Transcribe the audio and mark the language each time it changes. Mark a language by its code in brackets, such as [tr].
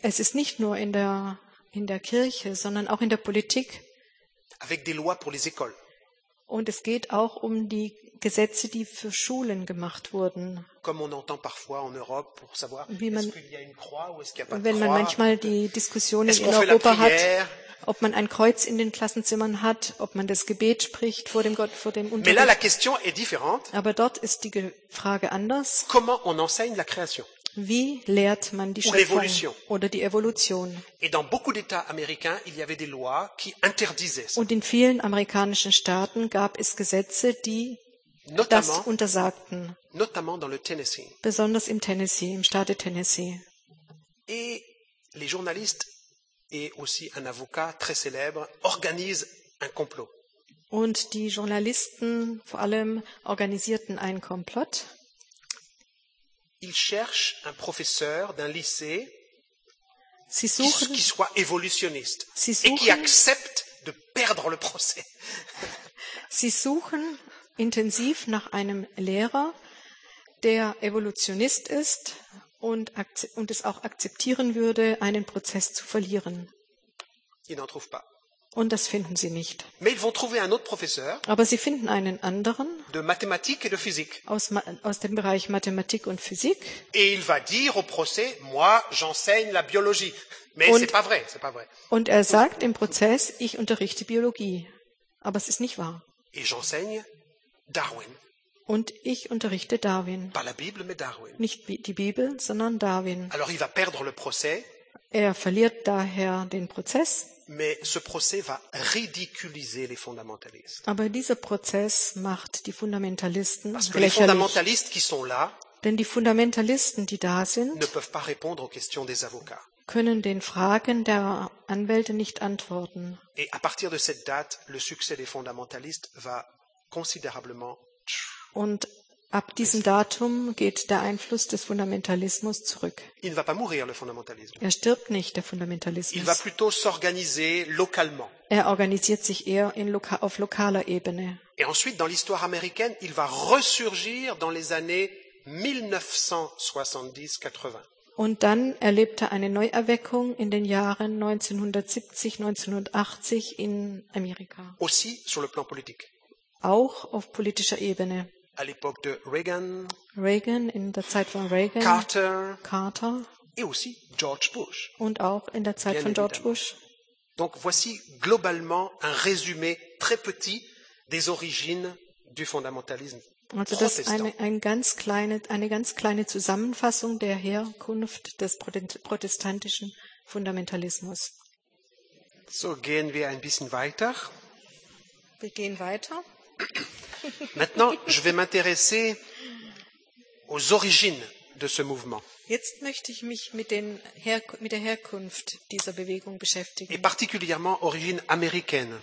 [de] Es ist nicht nur in der Kirche, sondern auch in der Politik. [fr] Avec des lois pour les écoles. [de] Und es geht auch um die Gesetze, die für Schulen gemacht wurden. [fr] Comme on entend parfois en Europe pour savoir est-ce qu'il y a une croix ou est-ce qu'il y a pas de croix. [de] Wenn man manchmal die Diskussion in Europa hat, ob man ein Kreuz in den Klassenzimmern hat, ob man das Gebet spricht vor dem Gott, vor dem Unterricht. [fr] Mais là la question est différente. [de] Aber dort ist die Frage anders. [fr] Comment on enseigne la création? [de] Wie lehrt man die Schöpfung oder die Evolution? [fr] Et dans beaucoup d'États américains, il y avait des lois qui interdisaient. [de] Und in vielen amerikanischen Staaten gab es Gesetze, die das untersagten. [fr] Notamment dans le Tennessee. [de] Besonders im Tennessee, im Staat Tennessee. [fr] Et les journalistes et aussi un avocat très célèbre organisent un complot. [de] Und die Journalisten vor allem organisierten einen Komplott. [fr] Ils cherchent un professeur d'un lycée qui soit évolutionniste et qui accepte de perdre le procès. [de] Sie suchen intensiv nach einem Lehrer, der Evolutionist ist und es auch akzeptieren würde, einen Prozess zu verlieren. [fr] Ils n'en trouvent pas. [de] Und das finden sie nicht. [fr] Mais ils vont trouver un autre professeur. [de] Aber sie finden einen anderen. [fr] De mathématiques et de physique. [de] Aus dem Bereich Mathematik und Physik. [fr] Et il va dire au procès, moi, j'enseigne la biologie. Mais c'est pas vrai. [de] Und er sagt im Prozess, ich unterrichte Biologie. Aber es ist nicht wahr. [fr] Et j'enseigne Darwin. [de] Und ich unterrichte Darwin. [fr] Pas la Bible, mais Darwin. [de] Nicht die Bibel, sondern Darwin. [fr] Alors il va perdre le procès. [de] Er verliert daher den Prozess. [fr] Mais ce procès va ridiculiser les fondamentalistes. [de] Aber dieser Prozess macht die Fundamentalisten lächerlich. [fr] Parce que les fondamentalistes qui sont là, [de] denn die Fundamentalisten, die da sind, [fr] ne peuvent pas répondre aux questions des avocats. [de] Können den Fragen der Anwälte nicht antworten. [fr] Et à partir de cette date, le succès des fondamentalistes va considérablement. [de] Und ab diesem Datum geht der Einfluss des Fundamentalismus zurück. [fr] Il ne va pas mourir, le fundamentalisme. [de] Er stirbt nicht, der Fundamentalismus. [fr] Il va plutôt s'organiser localement. [de] Er organisiert sich eher auf lokaler Ebene. [fr] Et ensuite, dans l'histoire américaine, il va ressurgir dans les années 1970-80. [de] Und dann erlebte er eine Neuerweckung in den Jahren 1970-1980 in Amerika. [fr] Aussi sur le plan politique. [de] Auch auf politischer Ebene. [fr] À l'époque de Reagan, [de] Reagan in der Zeit von Reagan, [fr] Carter et aussi George Bush. [de] Und auch in der Zeit von George Bush. [fr] Donc voici globalement un résumé très petit des origines du fondamentalisme [de] Also das ist eine ganz kleine Zusammenfassung der Herkunft des protestantischen Fundamentalismus. So, gehen wir ein bisschen weiter. Wir gehen weiter. [fr] Maintenant, je vais m'intéresser aux origines de ce mouvement. [de] Jetzt möchte ich mich mit der Herkunft dieser Bewegung beschäftigen. [fr] Et particulièrement origine américaine.